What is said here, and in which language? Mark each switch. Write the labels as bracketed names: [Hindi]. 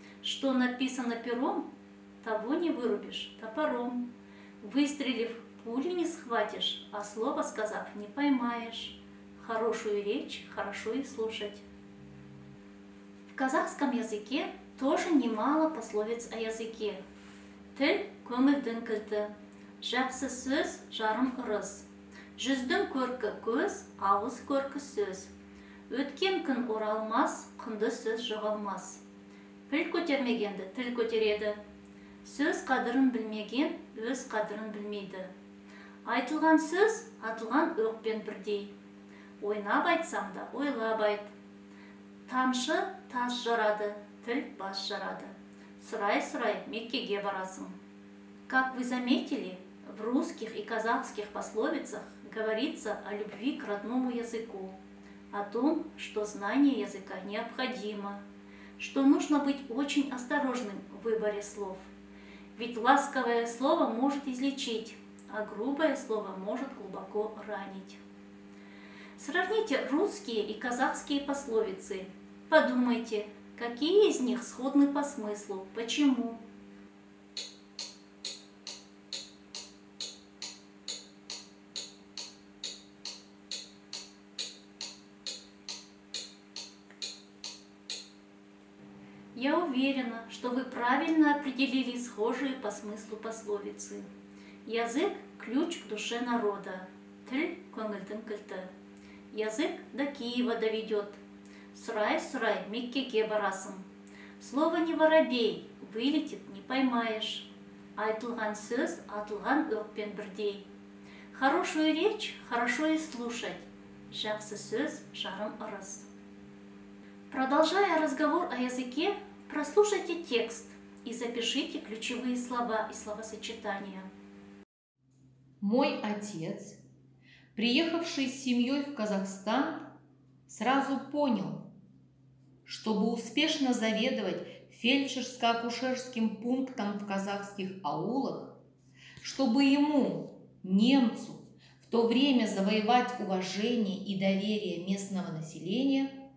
[Russian] Что написано пером, того не вырубишь топором. Выстрелив, пули не схватишь, а слово сказав, не поймаешь. Хорошую речь хорошо и слушать. В казахском языке тоже немало пословиц о языке. [Kazakh] Тель көмілдің кілті, жақсы сөз жарым ырыс, жүздің көркі көз, ауыз көркі сөз, өткен күн оралмас, құнды сөз жоғалмас. Піл көтермегенді тіл көтереді, сөз қадырын білмеген өз қадырын білмейді. Айтылған сөз атылған оқпен бірдей, ойнап айтсам да ойлап айт. Тамшы тас жарады, тіл бас жарады. Сұрай-сұрай Меккеге барасың. [Russian] Как вы заметили, в русских и казахских пословицах говорится о любви к родному языку, о том, что знание языка необходимо, что нужно быть очень осторожным в выборе слов. Ведь ласковое слово может излечить, а грубое слово может глубоко ранить. Сравните русские и казахские пословицы. Подумайте, какие из них сходны по смыслу? Почему? Я уверена, что вы правильно определили схожие по смыслу пословицы. Язык – ключ к душе народа. [Kazakh] Тль көңілдің кілті. [Russian] Язык до Киева доведет. [Kazakh] Сұрай-сұрай, Меккеге барасың. [Russian] Слово не воробей, вылетит не поймаешь. [Kazakh] Айтылған сөз атылған оқпен бірдей. [Russian] Хорошую речь хорошо и слушать. [Kazakh] Жақсы сөз жарым ырыс. [Russian] Продолжая разговор о языке, прослушайте текст и запишите ключевые слова и словосочетания. Мой отец, приехавший с семьей в Казахстан, сразу понял, чтобы успешно заведовать фельдшерско-акушерским пунктом в казахских аулах, чтобы ему, немцу, в то время завоевать уважение и доверие местного населения,